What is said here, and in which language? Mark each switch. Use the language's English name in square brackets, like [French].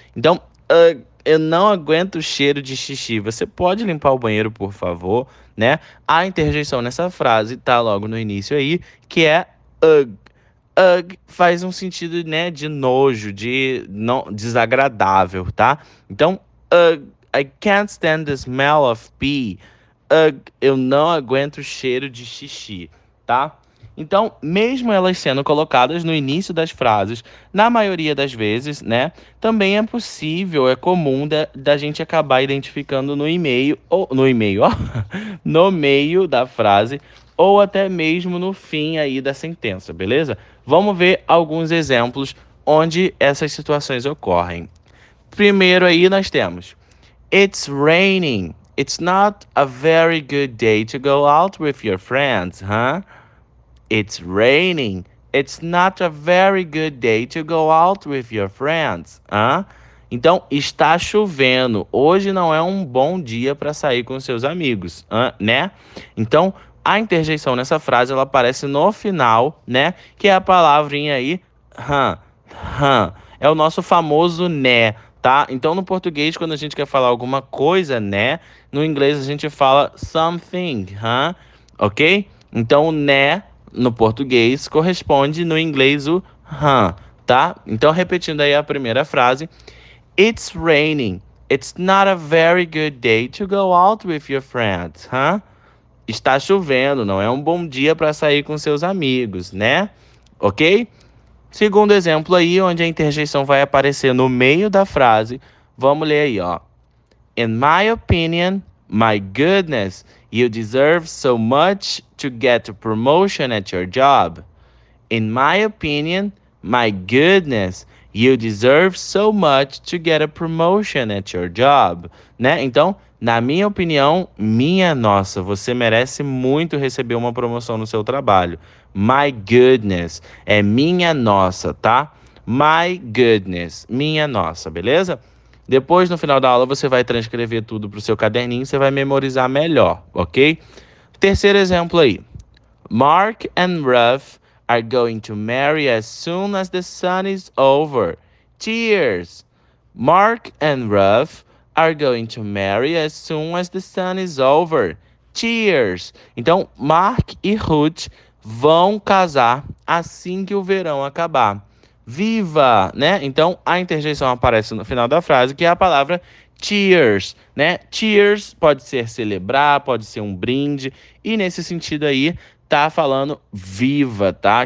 [Portuguese] Então, eu não aguento o cheiro de xixi. Você pode limpar o banheiro, por favor, né? A interjeição nessa frase tá logo no início aí, que é ug. Ug faz um sentido, né, de nojo, de não desagradável, tá? [English] Então, ug, I can't stand the smell of pee. [Portuguese] Ug, eu não aguento o cheiro de xixi, tá? Então, mesmo elas sendo colocadas no início das frases, na maioria das vezes, né, também é possível, é comum da gente acabar identificando no e-mail, ou no e-mail, ó, no meio da frase, ou até mesmo no fim aí da sentença, beleza? Vamos ver alguns exemplos onde essas situações ocorrem. Primeiro aí nós temos: [English] It's raining. It's not a very good day to go out with your friends, huh? It's raining. It's not a very good day to go out with your friends, huh? [Portuguese] Então, está chovendo. Hoje não é um bom dia para sair com seus amigos, né? Então, a interjeição nessa frase, ela aparece no final, né? Que é a palavrinha aí, huh. É o nosso famoso né, tá? Então, no português, quando a gente quer falar alguma coisa, né? No inglês, a gente fala something, huh? Ok? Então, o né, no português, corresponde no inglês o huh, tá? Então, repetindo aí a primeira frase: [English] It's raining. It's not a very good day to go out with your friends, huh? [Portuguese] Está chovendo, não é um bom dia para sair com seus amigos, né? Ok? Segundo exemplo aí, onde a interjeição vai aparecer no meio da frase, vamos ler aí, ó. [English] In my opinion, My goodness, you deserve so much to get a promotion at your job. In my opinion, my goodness, you deserve so much to get a promotion at your job. [Portuguese] Né? Então, na minha opinião, minha nossa, você merece muito receber uma promoção no seu trabalho. [English] My goodness, [Portuguese] é minha nossa, tá? [English] My goodness, [Portuguese] minha nossa, beleza? Depois, no final da aula, você vai transcrever tudo para o seu caderninho e você vai memorizar melhor, ok? Terceiro exemplo aí. [English] Mark and Ruth are going to marry as soon as the sun is over. Cheers! Mark and Ruth are going to marry as soon as the sun is over. Cheers! [Portuguese] Então, Mark e Ruth vão casar assim que o verão acabar. Viva, né? Então a interjeição aparece no final da frase, que é a palavra cheers, né? Cheers pode ser celebrar, pode ser um brinde, e nesse sentido aí tá falando viva, tá?